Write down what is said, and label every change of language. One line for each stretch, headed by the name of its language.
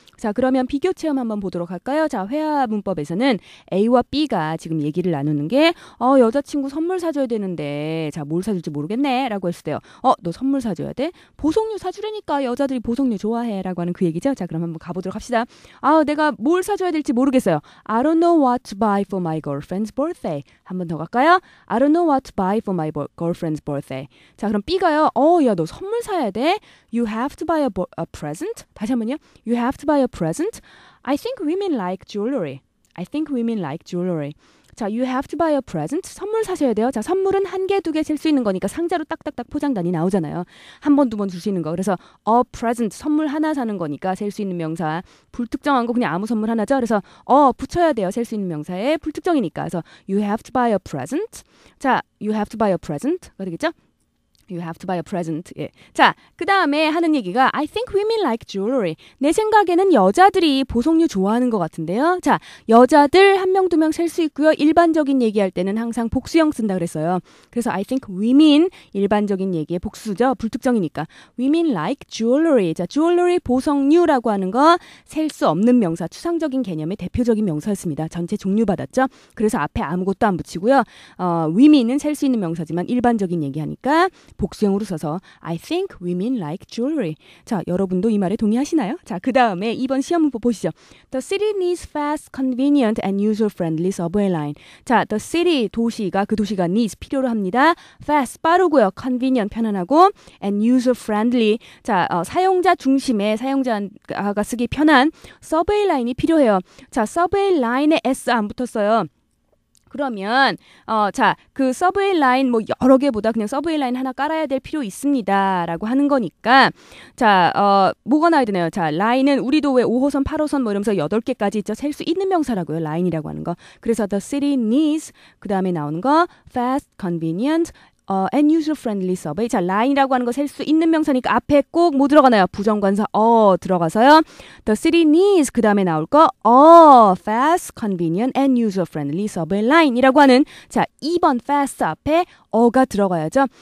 Korean: 자, 그러면 비교 체험 한번 보도록 할까요? 자, 회화 문법에서는 A와 B가 지금 얘기를 나누는 게 여자친구 선물 사줘야 되는데 자, 뭘 사줄지 모르겠네 라고 했을 때요. 너 선물 사줘야 돼? 보석류 사주라니까 여자들이 보석류 좋아해 라고 하는 그 얘기죠. 자, 그럼 한번 가보도록 합시다. 아, 내가 뭘 사줘야 될지 모르겠어요.
English: I don't know what to buy for my girlfriend's birthday.
Korean: 한번 더 갈까요?
English: I don't know what to buy for my girlfriend's birthday.
Korean: 자, 그럼 B가요. 야, 너 선물 사야 돼?
English: You have to buy a present?
Korean: 다시 한번요.
English: You have to buy a present? I think women like jewelry. I think women like jewelry. 자, you have to buy a present.
Korean: 선물 사셔야 돼요. 자, 선물은 한 개, 두 개 셀 수 있는 거니까 상자로 딱딱딱 포장단이 나오잖아요. 한 번, 두 번 줄 수 있는 거. 그래서
English: a present,
Korean: 선물 하나 사는 거니까 셀 수 있는 명사. 불특정한 거 그냥 아무 선물 하나죠. 그래서 붙여야 돼요. 셀 수 있는 명사에 불특정이니까.
English: 그래서 you have to buy a present. 자, you have to buy a present.
Korean: 가 되겠죠?
English: You have to buy a present.
Korean: 예. 자, 그 다음에 하는 얘기가
English: I think women like jewelry.
Korean: 내 생각에는 여자들이 보석류 좋아하는 것 같은데요. 자, 여자들 한 명, 두 명 셀 수 있고요. 일반적인 얘기할 때는 항상 복수형 쓴다 그랬어요. 그래서
English: I think women,
Korean: 일반적인 얘기의 복수죠.
English: 불특정이니까. Women like jewelry.
Korean: 자, jewelry 보석류라고 하는 거 셀 수 없는 명사, 추상적인 개념의 대표적인 명사였습니다. 전체 종류 받았죠. 그래서 앞에 아무것도 안 붙이고요. Women은 셀 수 있는 명사지만 일반적인 얘기하니까 복수형으로 써서
English: I think women like jewelry.
Korean: 자, 여러분도 이 말에 동의하시나요? 자, 그 다음에 이번 시험 문법 보시죠.
English: The city needs fast, convenient and user-friendly subway line.
Korean: 자,
English: the city,
Korean: 도시가, 그 도시가 needs, 필요로 합니다. fast, 빠르고요.
English: convenient, 편안하고 and user-friendly.
Korean: 자, 사용자 중심에 사용자가 쓰기 편한 subway line이 필요해요. 자, subway line에 S 안 붙었어요. 그러면 자, 그 서브웨이 라인 뭐 여러 개보다 그냥 서브웨이 라인 하나 깔아야 될 필요 있습니다 라고 하는 거니까 자, 뭐가 나와야 되나요? 자, 라인은 우리도 왜 5호선, 8호선 뭐 이러면서 8개까지 있죠? 셀 수 있는 명사라고요, 라인이라고 하는 거.
English: 그래서 the city needs,
Korean: 그 다음에 나오는 거
English: fast, convenient, and user-friendly subway.
Korean: 자, 라인이라고 하는 거 셀 수 있는 명사니까 앞에 꼭 뭐 들어가나요? 부정관사 들어가서요.
English: The city needs, 그 다음에 나올 거 fast, convenient, and user-friendly subway line
Korean: 이라고 하는 자, 2번 fast 앞에 어가 들어가야죠.